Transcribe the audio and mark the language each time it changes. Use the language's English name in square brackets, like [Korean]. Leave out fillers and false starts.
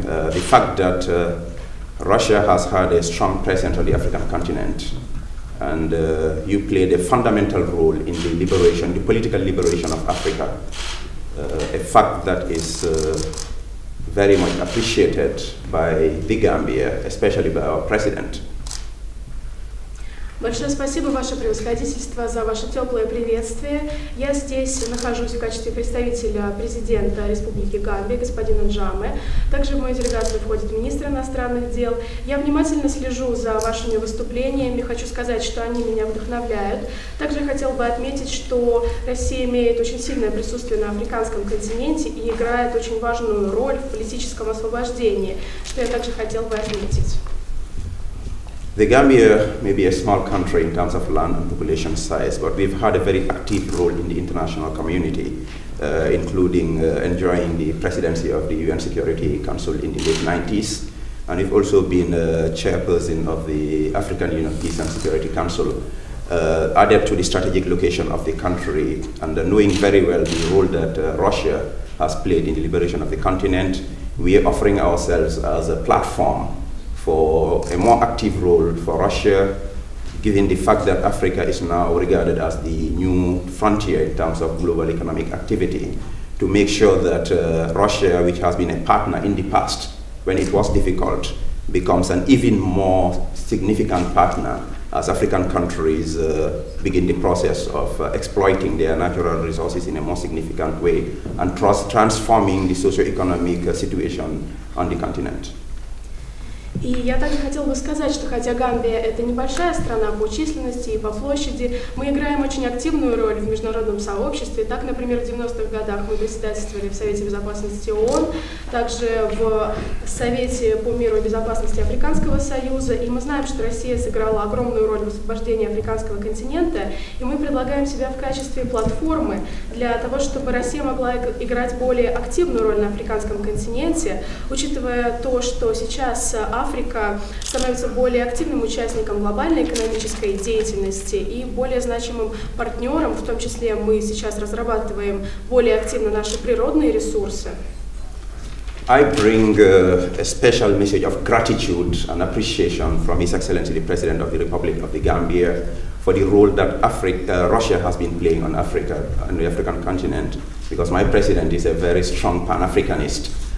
[English] The fact that Russia has had a strong presence on the African continent, and you played a fundamental role in the liberation, the political liberation of Africa, a fact that is very much appreciated by the Gambia, especially by our president. [Russian] Большое спасибо, Ваше Превосходительство, за Ваше теплое приветствие. Я здесь нахожусь в качестве представителя президента Республики Гамбия, господина Джаме. Также в мою делегацию входит министр иностранных дел. Я внимательно слежу за Вашими выступлениями, хочу сказать, что они меня вдохновляют. Также хотел бы отметить, что Россия имеет очень сильное присутствие на африканском континенте и играет очень важную роль в политическом освобождении, что я также хотел бы отметить. [English] The Gambia may be a small country in terms of land and population size, but we've had a very active role in the international community, including enjoying the presidency of the UN Security Council in the late 90s. And we've also been chairperson of the African Union Peace and Security Council, added to the strategic location of the country, and knowing very well the role that Russia has played in the liberation of the continent, we are offering ourselves as a platform for a more active role for Russia, given the fact that Africa is now regarded as the new frontier in terms of global economic activity, to make sure that Russia, which has been a partner in the past when it was difficult, becomes an even more significant partner as African countries begin the process of exploiting their natural resources in a more significant way and transforming the socio-economic situation on the continent. [Russian] И я также хотела бы сказать, что хотя Гамбия – это небольшая страна по численности и по площади, мы играем очень активную роль в международном сообществе. Так, например, в 90-х годах мы председательствовали в Совете Безопасности ООН, также в Совете по миру и безопасности Африканского Союза, и мы знаем, что Россия сыграла огромную роль в освобождении африканского континента, и мы предлагаем себя в качестве платформы для того, чтобы Россия могла играть более активную роль на африканском континенте, учитывая то, что сейчас Африка становится более активным участником глобальной экономической деятельности и более значимым партнером, в том числе мы сейчас разрабатываем более активно наши природные ресурсы. [English] I bring a special message of gratitude and appreciation from His Excellency the President of the Republic of the Gambia for the role that Russia has been playing on Africa and the African continent, because my president is a very strong pan-Africanist.